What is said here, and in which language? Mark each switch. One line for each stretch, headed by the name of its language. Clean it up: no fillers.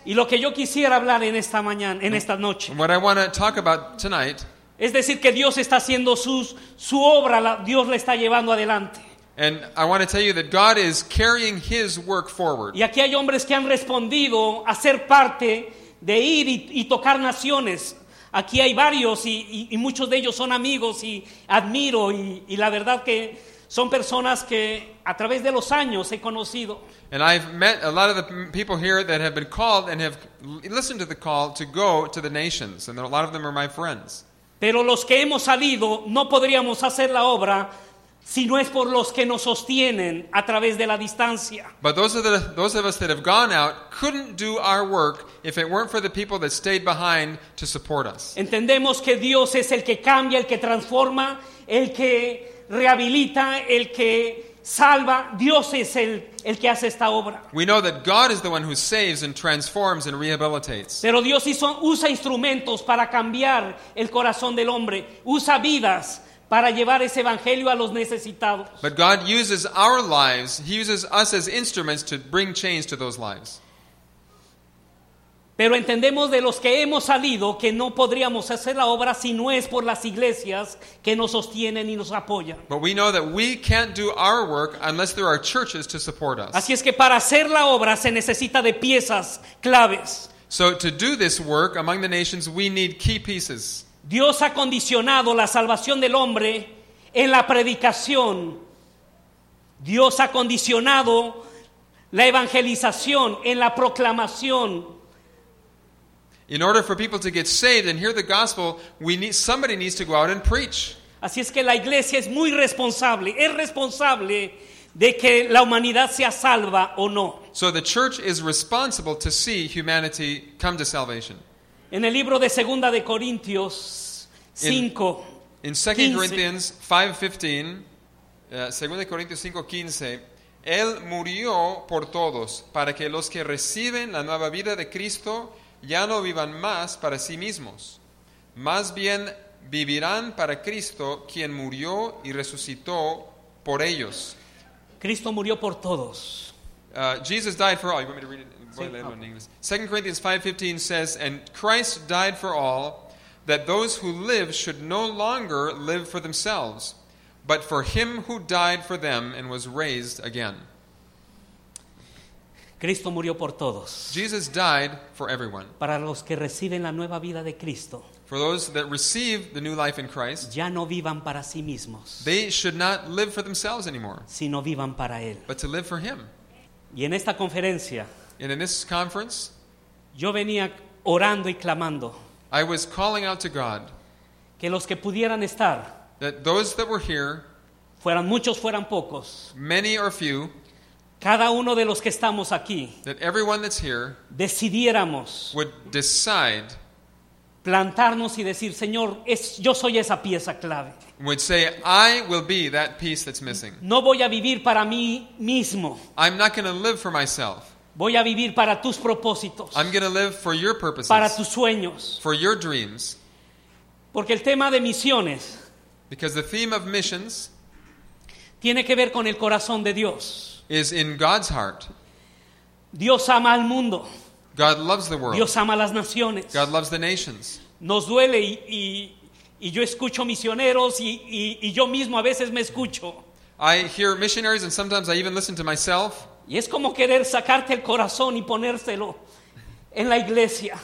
Spanish: Y lo que yo quisiera hablar en esta mañana, en esta noche.
English: And what I want to talk about tonight.
Spanish: Es decir, que Dios está haciendo su obra, Dios la está llevando adelante.
English: And I want to tell you that God is carrying his work forward.
Spanish: Y aquí hay hombres que han respondido a ser parte de ir y tocar naciones. Aquí hay varios y muchos de ellos son amigos y admiro y la verdad que son personas que a través de los años he conocido.
English: And I've met a lot of the people here that have been called and have listened to the call to go to the nations, and a lot of them are my friends.
Spanish: Pero los que hemos salido no podríamos hacer la obra si no es por los que nos sostienen a través de la distancia.
English: But those of us that have gone out couldn't do our work if it weren't for the people that stayed behind to support us.
Spanish: Entendemos que Dios es el que cambia, el que transforma, el que rehabilita, el que salva. Dios es el que hace esta obra.
English: We know that God is the one who saves and transforms and rehabilitates.
Spanish: Pero Dios usa instrumentos para cambiar el corazón del hombre. Usa vidas para llevar ese evangelio a los necesitados.
English: But God uses our lives, he uses us as instruments to bring change to those lives.
Spanish: Pero entendemos de los que hemos salido que no podríamos hacer la obra si no es por las iglesias que nos sostienen y nos apoyan.
English: But we know that we can't do our work unless there are churches to support us.
Spanish: Así es que para hacer la obra se necesita de piezas claves.
English: So to do this work among the nations we need key pieces.
Spanish: Dios ha condicionado la salvación del hombre en la predicación. Dios ha condicionado la evangelización en la proclamación.
English: In order for people to get saved and hear the gospel, somebody needs to go out and preach.
Spanish: Así es que la iglesia es muy responsable. Es responsable de que la humanidad sea salva o no.
English: So the church is responsible to see humanity come to salvation.
Spanish: En el libro de Segunda de Corintios 5,
English: in 2 Corinthians 5:15,
Spanish: Segunda de Corintios 5:15, Él murió por todos, para que los que reciben la nueva vida de Cristo ya no vivan más para sí mismos. Más bien, vivirán para Cristo, quien murió y resucitó por ellos. Cristo murió por todos.
English: Jesus died for all. You want me to read it? Okay. 2 Corinthians 5:15 says, and Christ died for all, that those who live should no longer live for themselves, but for him who died for them and was raised again.
Spanish: Cristo murió por todos.
English: Jesus died for everyone.
Spanish: Para los que reciben la nueva vida de Cristo.
English: For those that receive the new life in Christ,
Spanish: ya no vivan para sí mismos.
English: They should not live for themselves anymore,
Spanish: sino vivan para él.
English: But to live for him.
Spanish: Y en esta conferencia,
English: and in this conference,
Spanish: yo venía orando y clamando,
English: I was calling out to God
Spanish: que los que pudieran estar,
English: that those that were here,
Spanish: fueran muchos, fueran pocos,
English: many or few,
Spanish: cada uno de los que estamos aquí,
English: that everyone that's here,
Spanish: decidiéramos,
English: would decide,
Spanish: plantarnos y decir, Señor, yo soy esa pieza clave.
English: Would say, I will be that piece that's missing.
Spanish: No voy a vivir para mí mismo.
English: I'm not going to live for myself.
Spanish: Voy a vivir para tus propósitos.
English: I'm going to live for your purposes.
Spanish: Para tus sueños.
English: For your dreams.
Spanish: Porque el tema de misiones,
English: because the theme of missions,
Spanish: tiene que ver con el corazón de Dios.
English: Is in God's heart.
Spanish: Dios ama al mundo.
English: God loves the world.
Spanish: Dios ama las naciones.
English: God loves the nations.
Spanish: Nos duele y yo escucho misioneros y yo mismo a veces me escucho.
English: I hear missionaries and sometimes I even listen to myself.
Spanish: Y es como querer sacarte el corazón y ponérselo en la iglesia.